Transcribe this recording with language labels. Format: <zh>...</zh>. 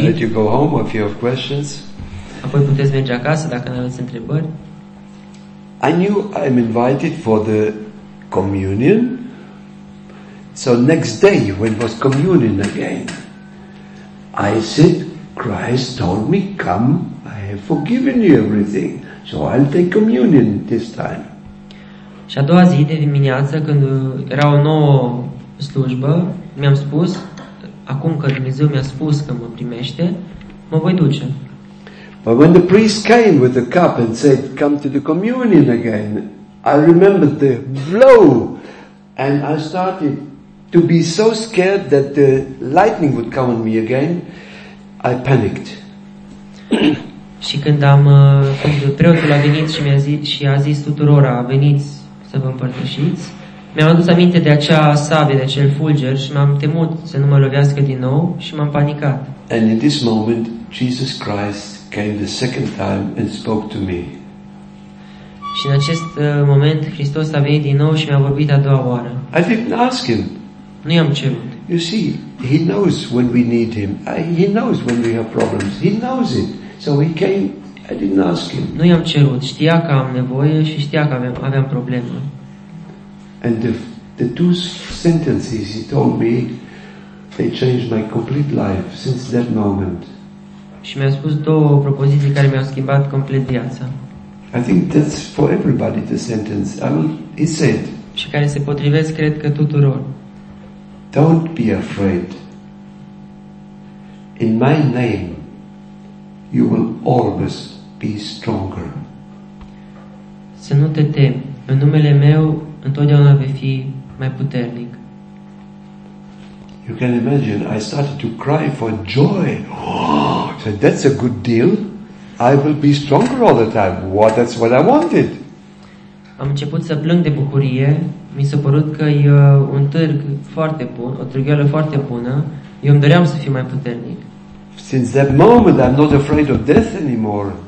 <en>I let you go home if you have questions.</en> <ro>Apoi puteți merge acasă dacă nu aveți întrebări.</ro> <en>I knew I'm invited for the communion. So next day when was communion again, I said, Christ told me, come, I have forgiven you everything. So I'll take communion this time.</en> <ro>Și a doua zi de dimineață, când era o nouă slujbă, mi-am spus, acum că Dumnezeu mi-a spus că mă primește, mă voi duce.</ro> <en>But when the priest came with the cup and said, come to the communion again, I remembered the blow and I started to be so scared that the lightning would come on me again, I panicked.</en> <ro>Și când preotul a venit și a zis tuturora, veniți să vă împărtășiți, mi-am adus aminte de acea sabie, de acel fulger și m-am temut să nu mă lovească din nou și m-am panicat.</ro> <en>And in this moment, Jesus Christ came the second time and spoke to me.</en> <ro>Și în acest moment, Hristos a venit din nou și mi-a vorbit a doua oară.</ro> <en>I didn't ask him.</en> <ro>Nu i-am cerut.</ro> <en>You see, he knows when we need him. He knows when we have problems. He knows it. So he came. I didn't ask him.</en> <ro>Nu i-am cerut. Știa că am nevoie și știa că aveam probleme.</ro> <en>And the two sentences he told me, they changed my complete life since that moment.</en> <ro>Și mi-a spus două propoziții care mi-au schimbat complet viața.</ro> <en>I think that's for everybody the sentence. I mean, he said.</en> <ro>Și care se potrivesc, cred că, tuturor.</ro> <en>Don't be afraid. In my name, you will always be stronger.</en> <ro>Să nu te temi. În numele meu, întotdeauna vei fi mai puternic.</ro> <en>You can imagine, I started to cry for joy. I said, that's a good deal. I will be stronger all the time. What? That's what I wanted.</en> <ro>Am început să plâng de bucurie. Mi s-a părut că e un târg foarte bun, o târgheală foarte bună. Eu îmi doream să fiu mai puternic.</ro> <en>Since that moment, I'm not afraid of death anymore.</en>